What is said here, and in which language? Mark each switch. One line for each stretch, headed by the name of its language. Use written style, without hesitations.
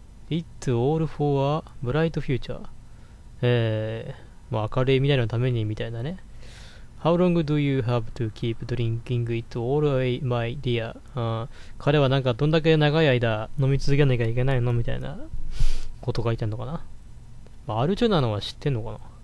English: It's all for a bright future.
Japanese: まあ明るい未来のためにみたいなね。
English: How long do you have to keep drinking it all away, my dear?
Japanese: 彼はなんかどんだけ長い間飲み続けなきゃいけないのみたいなこと書いてんのかな。まあ、アルチョなのは知ってんのかな。